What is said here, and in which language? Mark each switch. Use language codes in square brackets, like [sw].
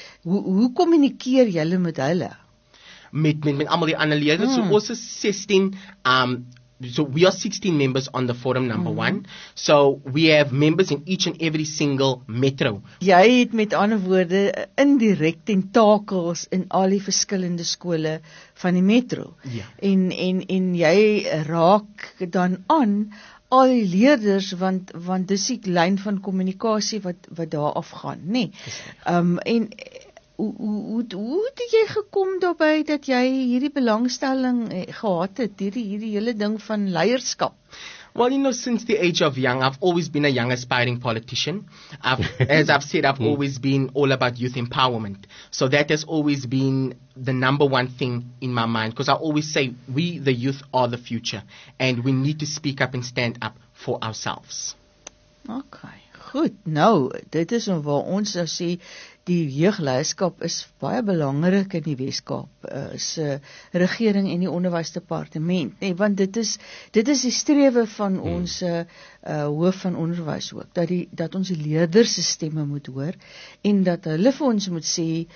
[af] Hoe kommunikeer julle met hulle? Met almal die ander leerders, so ons is 16 [en] So we are 16 members on the forum number one. So we have members in each and every single metro. [af] Jy het met ander woorde indirek tentakels in al die verskillende skole van die metro. [en] Yeah. [af] En jy raak dan aan al die leerders, want dis die lyn van kommunikasie wat daar afgaan, nee. En hoe het jy gekom daarby dat jy hierdie belangstelling gehad het, hierdie hele ding van leierskap? [en] Well, you know, since the age of young, I've always been a young aspiring politician. As I've said, I've always been all about youth empowerment. So that has always been the number one thing in my mind, because I always say, we, the youth, are the future, and we need to speak up and stand up for ourselves. [af] Okay, goed. Nou, dit is waar ons nou sê, die jeugleierskap is baie belangrik in die Weskaap, se regering en die onderwysdepartement, nee, want dit is die strewe van ons hoof van onderwys ook, dat ons die leerders se stemme moet hoor, en dat hulle vir ons moet sê,